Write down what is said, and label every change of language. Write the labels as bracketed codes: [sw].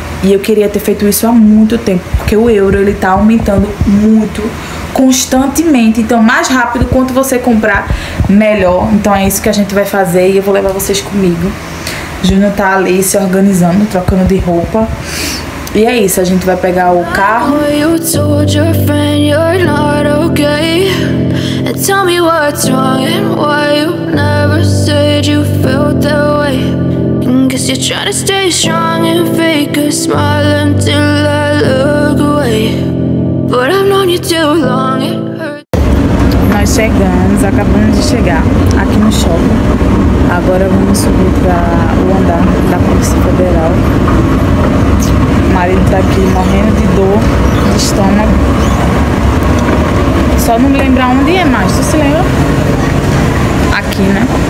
[pt] E eu queria ter feito isso há muito tempo, porque o euro, ele tá aumentando muito, constantemente. Então, mais rápido, quanto você comprar, melhor. Então é isso que a gente vai fazer e eu vou levar vocês comigo. Júnior tá ali se organizando, trocando de roupa. E é isso, a gente vai pegar o carro. [en] You told your friend you're not okay. And tell me what's wrong and why you never said you felt that way. Guess you're trying to stay strong and fake a smile until I look away. But I've known you too long. [pt] Nós chegamos, acabamos de chegar aqui no shopping. Agora vamos subir para o andar da Polícia Federal. O marido tá aqui morrendo de dor de estômago. Só não me lembrar onde é mais. Tu se lembra? Aqui, né?